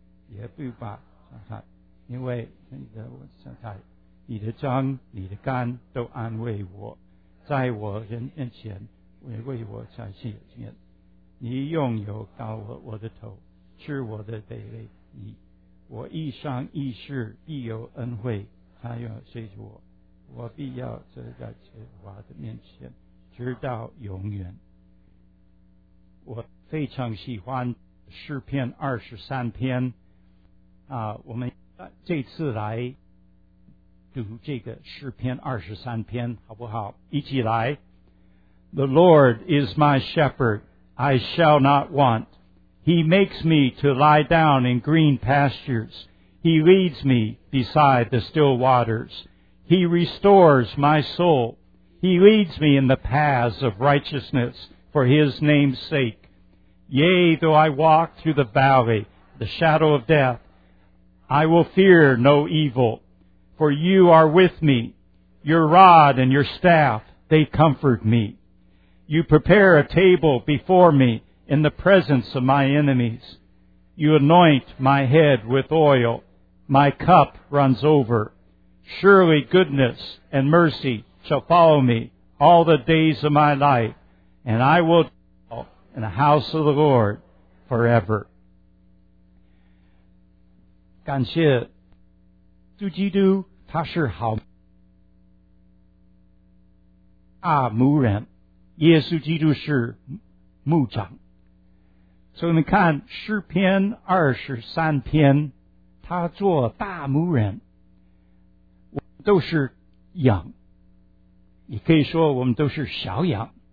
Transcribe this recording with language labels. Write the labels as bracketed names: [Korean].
[Chinese] 也不把伤害，因为你的我伤害，你的脏你的肝都安慰我，在我人面前也为我在心里面，你拥有高我的头，是我的卑微，你我一生一世必有恩惠，他要随着我，我必要坐在耶和华的面前，直到永远。我非常喜欢诗篇23篇啊，我们这次来读这个诗篇23篇好不好？一起来。 [English] The Lord is my shepherd, I shall not want. He makes me to lie down in green pastures. He leads me beside the still waters. He restores my soul. He leads me in the paths of righteousness for His name's sake. Yea, though I walk through the valley, the shadow of death, I will fear no evil, for You are with me. Your rod and Your staff, they comfort me. You prepare a table before me in the presence of my enemies. You anoint my head with oil. My cup runs over. Surely goodness and mercy shall follow me all the days of my life, and I will dwell in the house of the Lord forever. [Chinese] 感谢主基督，他是好大牧人，耶稣基督是牧长。所以你看诗篇23篇，他做大牧人，我们都是羊，也可以说我们都是小羊。